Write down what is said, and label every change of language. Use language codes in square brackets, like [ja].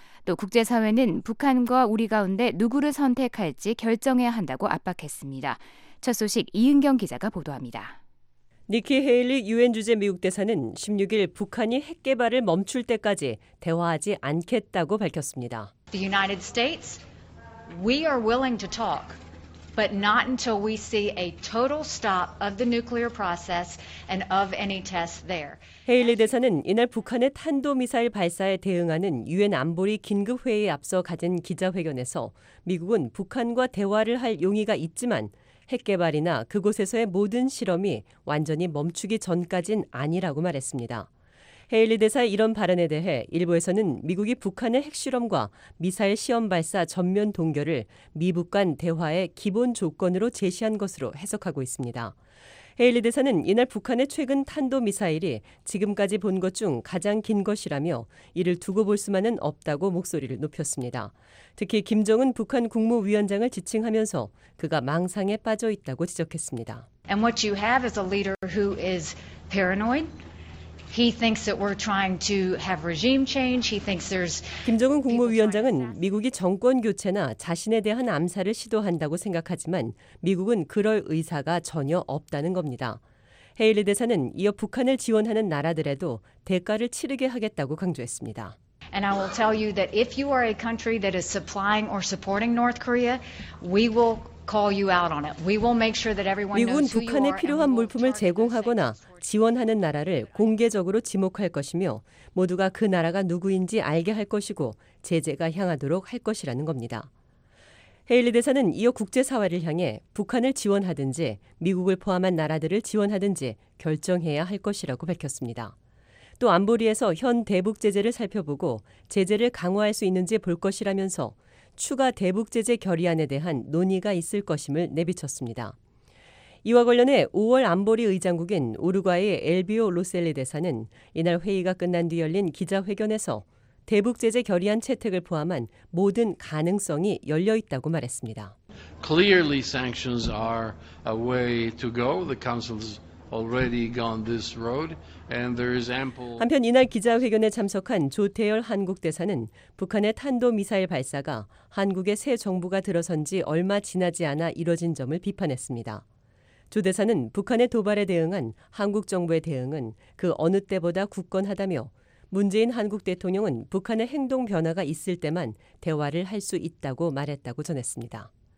[ko] 또 국제사회는 북한과 우리 가운데 누구를 선택할지 결정해야 한다고 압박했습니다. 첫 소식 이은경 기자가 보도합니다. 니키 헤일리 유엔 주재 미국 대사는 16일 북한이 핵 개발을 멈출 때까지 대화하지 않겠다고 밝혔습니다. [en] The United States, we are willing to talk. But not until we see a total stop of the nuclear process and of any tests there. [ko] 헤일리 대사는 이날 북한의 탄도 미사일 발사에 대응하는 유엔 안보리 긴급 회의에 앞서 가진 기자회견에서 미국은 북한과 대화를 할 용의가 있지만 핵 개발이나 그곳에서의 모든 실험이 완전히 멈추기 전까진 아니라고 말했습니다. 헤일리 대사의 이런 발언에 대해 일부에서는 미국이 북한의 핵실험과 미사일 시험 발사 전면 동결을 미북 간 대화의 기본 조건으로 제시한 것으로 해석하고 있습니다. 헤일리 대사는 이날 북한의 최근 탄도미사일이 지금까지 본 것 중 가장 긴 것이라며 이를 두고 볼 수만은 없다고 목소리를 높였습니다. 특히 김정은 북한 국무위원장을 지칭하면서 그가 망상에 빠져 있다고 지적했습니다. [en] And what you have is a leader who is paranoid. He thinks that we're trying to have regime change. He thinks there's [ko] 김정은 국무위원장은 미국이 정권 교체나 자신에 대한 암살을 시도한다고 생각하지만 미국은 그럴 의사가 전혀 없다는 겁니다. 헤일리 대사는 이어 북한을 지원하는 나라들에도 대가를 치르게 하겠다고 강조했습니다. [en] And I will tell you that if you are a country that is supplying or supporting North Korea, we will call you out on it. We will make sure that everyone knows who you are. [ko] 미국은 북한에 필요한 물품을 제공하거나 지원하는 나라를 공개적으로 지목할 것이며 모두가 그 나라가 누구인지 알게 할 것이고 제재가 향하도록 할 것이라는 겁니다. 헤일리 대사는 이어 국제사회를 향해 북한을 지원하든지 미국을 포함한 나라들을 지원하든지 결정해야 할 것이라고 밝혔습니다. 또 안보리에서 현 대북 제재를 살펴보고 제재를 강화할 수 있는지 볼 것이라면서 추가 대북 제재 결의안에 대한 논의가 있을 것임을 내비쳤습니다. 이와 관련해 5월 안보리 의장국인 우루과이의 엘비오 로셀리 대사는 이날 회의가 끝난 뒤 열린 기자회견에서 대북 제재 결의안 채택을 포함한 모든 가능성이 열려 있다고 말했습니다. [en] Clearly sanctions are a way to go. The council's already gone this road and there is ample [ko] 한편 이날 기자회견에 참석한 조태열 한국 대사는 북한의 탄도 미사일 발사가 한국의 새 정부가 들어선 지 얼마 지나지 않아 이뤄진 점을 비판했습니다. 조 대사는 북한의 도발에 대응한 한국 정부의 대응은 그 어느 때보다 굳건하다며 문재인 한국 대통령은 북한의 행동 변화가 있을 때만 대화를 할 수 있다고 말했다고 전했습니다.